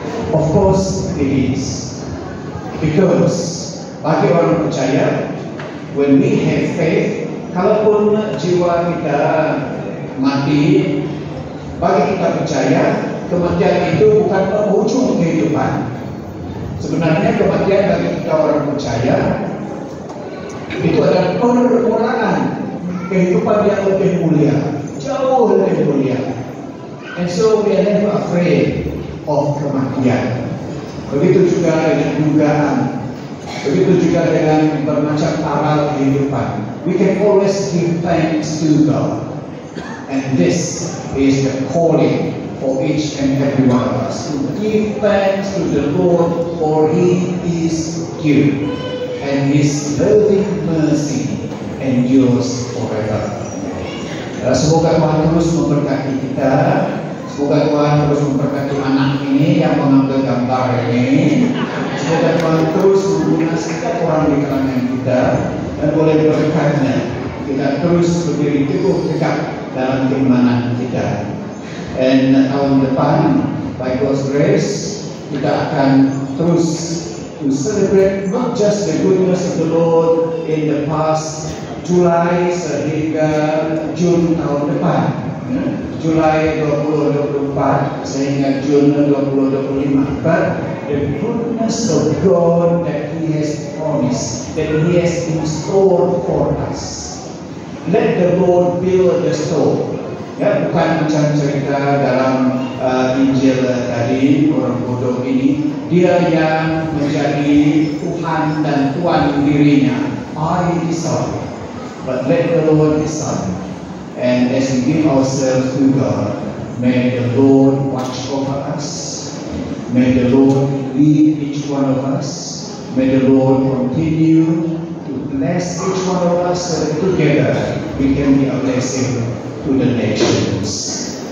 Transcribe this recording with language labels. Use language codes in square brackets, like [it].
[en] Of course it is, because [ms] bagi orang percaya, [en] when we have faith, [ms] kalaupun jiwa kita mati, bagi kita percaya kematian itu bukan penghujung kehidupan. Sebenarnya kematian bagi kita orang percaya itu adalah permulaan kehidupan yang lebih mulia, jauh lebih mulia. [en] And so we are never afraid of [ms] kematian. Begitu juga dengan dugaan, begitu juga dengan bermacam aral kehidupan. [en] We can always give thanks to God. And this is the calling for each and every one of us, to give thanks to the Lord, for He is good and His loving mercy endures forever. [ms] Semoga Tuhan terus memberkati kita. Semoga Tuhan terus memberkati anak ini yang mengambil gambar ini. Semoga Tuhan terus menggunakan setiap orang di kalangan kita dan boleh berkatnya. Kita terus berdiri teguh tegak dalam keimanan kita. [en] And [ms] tahun depan, [en] by God's grace, [ms] kita akan terus [en] to celebrate not just the goodness of the Lord in the past [ms] Julai sehingga Jun tahun depan, Julai 2024 sehingga Jun 2025. [en] But the goodness of God that He has promised, that He has in store for us. Let the Lord build the store. [ms] Ya, bukan macam cerita dalam Injil tadi, orang bodoh ini. Dia yang menjadi Tuhan dan Tuan dirinya. [en] I decide. But let the Lord decide. And as we give ourselves to God, may the Lord watch over us. May the Lord lead each one of us. May the Lord continue to bless each one of us so that together we can be a blessing to the nations.